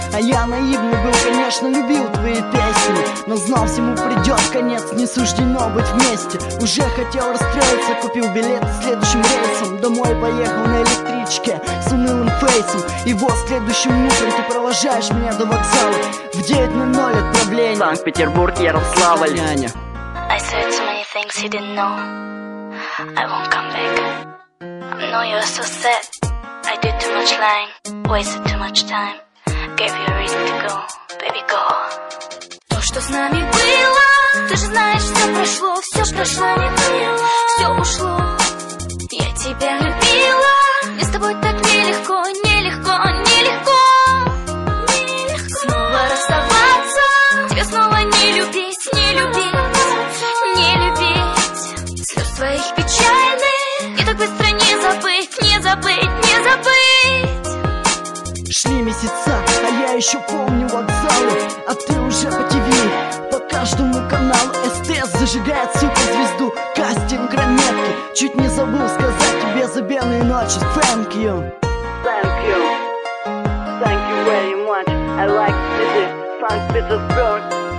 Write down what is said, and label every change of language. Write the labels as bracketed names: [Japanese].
[Russian] А я наивный был, конечно, любил твои песни, но знал, всему придет конец, не суждено быть вместе. Уже хотел расстроиться, купил билет следующим рейсом. Домой поехал на электричке с унылым фейсом. И вот следующим утром ты провожаешь меня до вокзала в 9:00 отправление. Санкт-Петербург, Ярославль. Няня. [English] I said so many things you didn't know. I won't come back. I know you're so sad. I did too much lying, wasted too much time. Gave you a reason to go, baby, go. [Russian] То, что с нами было, ты же знаешь, все прошло. Все прошло, не было, все ушло. Я тебя любила, мне с тобой так нелегко, нелегко, нелегко. Нелегко снова расставаться, тебя снова не любить, не любить, не любить. Слез твоих печальных, и так быстро не забыть, не забыть, не забыть. Шли месяца, я еще помню вокзалы, а ты уже по ТВ, по каждому каналу. СТС зажигает суперзвезду, кастинг ранетки. Чуть не забыл сказать тебе за белые ночи. [English] Thank you. Thank you. Thank you very much. I like to see Saint Petersburg.